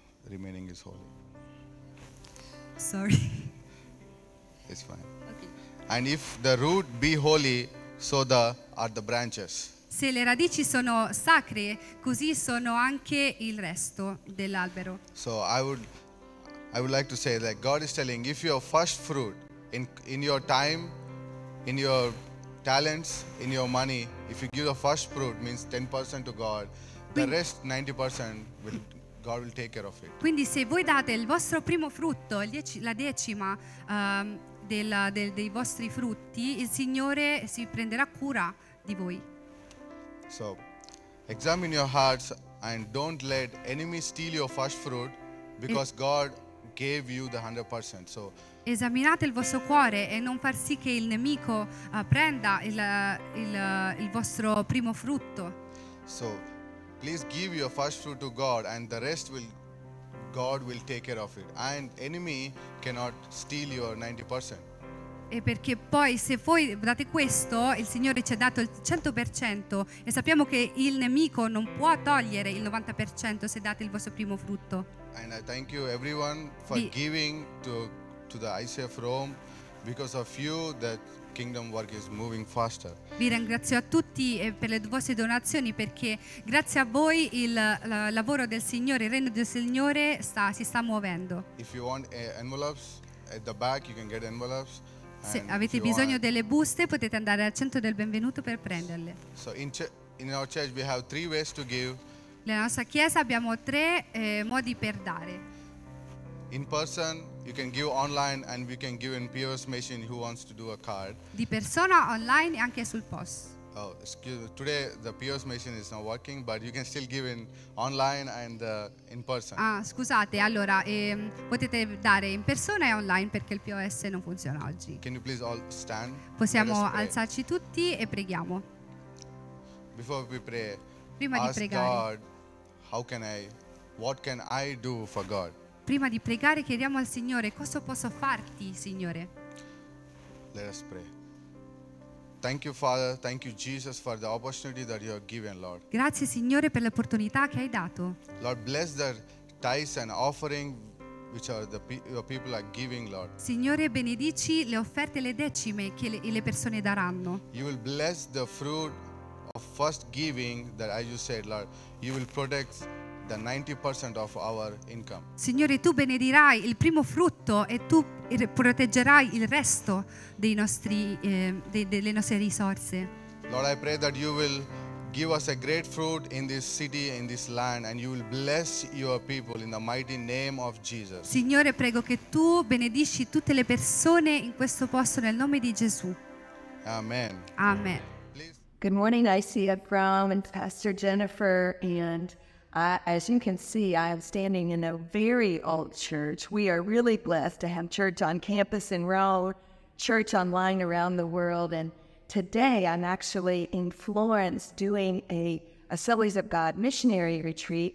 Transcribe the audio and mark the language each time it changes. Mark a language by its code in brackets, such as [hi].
[en] Remaining is holy. Sorry. It's fine. Okay. And if the root be holy, so are the branches. [it] Se le radici sono sacre, così sono anche il resto dell'albero. [en] So I would like to say that God is telling if your first fruit in your time, in your talents, in your money, if you give the first fruit means 10% to God, the rest 90% will God will take care of it. [it] Quindi se voi date il vostro primo frutto, la decima dei vostri frutti, il Signore si prenderà cura di voi. [en] So examine your hearts and don't let enemy steal your first fruit because God gave you the 100%. So [it] esaminate il vostro cuore e non far sì che il nemico prenda il vostro primo frutto. [en] So please give your first fruit to God and the rest will God will take care of it and enemy cannot steal your 90%. [it] E perché poi se voi date questo, il Signore ci ha dato il 100% e sappiamo che il nemico non può togliere il 90% se date il vostro primo frutto. [en] And I thank you everyone for giving to the ICF Rome because of you that kingdom work is moving faster. [it] Vi ringrazio a tutti per le vostre donazioni perché grazie a voi il lavoro del Signore, il regno del Signore si sta muovendo. [en] If you want envelopes at the back you can get envelopes. [it] Se avete bisogno delle buste potete andare al centro del benvenuto per prenderle. [en] So in our church we have three ways to give. [it] Nella nostra chiesa abbiamo tre modi per dare. [en] In person you can give online and we can give in POS machine who wants to do a card. [it] Di persona, online e anche sul POS. [en] Oh, excuse me. Today the POS machine is not working, but you can still give in online and in person. [it] Ah, scusate. Allora, potete dare in persona e online perché il POS non funziona oggi. [en] Can you please all stand? [it] Possiamo alzarci tutti e preghiamo. [en] Before we pray, [it] prima [en] ask [it] di pregare. [en] God, how can I, what can I do for God? [it] Prima di pregare chiediamo al Signore cosa posso farti, Signore. [en] Let us pray. Thank you, Father. Thank you, Jesus, for the opportunity that you have given, Lord. [it] Grazie, Signore, per l'opportunità che hai dato. [en] Lord, bless the tithes and offering which are your people are giving, Lord. [it] Signore, benedici le offerte e le decime che le persone daranno. [en] You will bless the fruit of first giving that, as you said, Lord, you will protect the 90% of our income. [it] Signore, tu benedirai il primo frutto e tu proteggerai il resto dei nostri delle nostre risorse. [en] Lord, I pray that you will give us a great fruit in this city, in this land, and you will bless your people in the mighty name of Jesus. [it] Signore, prego che tu benedisci tutte le persone in questo posto nel nome di Gesù. Amen. Amen. [en] Good morning, ICF Rome and Pastor Jennifer and as you can see, I am standing in a very old church. We are really blessed to have church on campus in Rome. church online around the world. And today I'm actually in Florence doing a Assemblies of God missionary retreat.